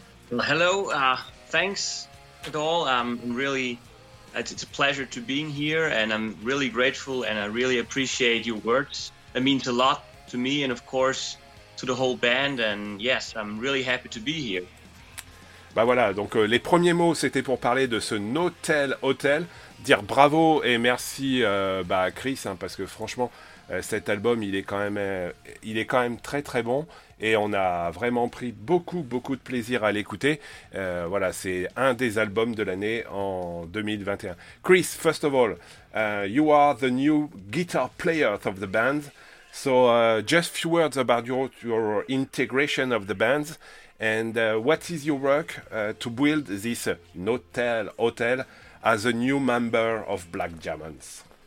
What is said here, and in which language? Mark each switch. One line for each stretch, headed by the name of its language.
English: Well, hello, thanks at all. It's a pleasure to be here, and I'm really grateful and I really appreciate your words. It means a lot to me and, of course, to the whole band. And yes, I'm really happy to be here.
French: Bah voilà, donc les premiers mots, c'était pour parler de ce Notel Hotel, dire bravo et merci à Chris, hein, parce que franchement, cet album, il est quand même très très bon. Et on a vraiment pris beaucoup, beaucoup de plaisir à l'écouter. Voilà, c'est un des albums de l'année en 2021.
English: Chris, first of all, you are the new guitar player of the band. So, just a few words about your integration of the band. And what is your work to build this Notel Hotel as a new member of Black Diamonds?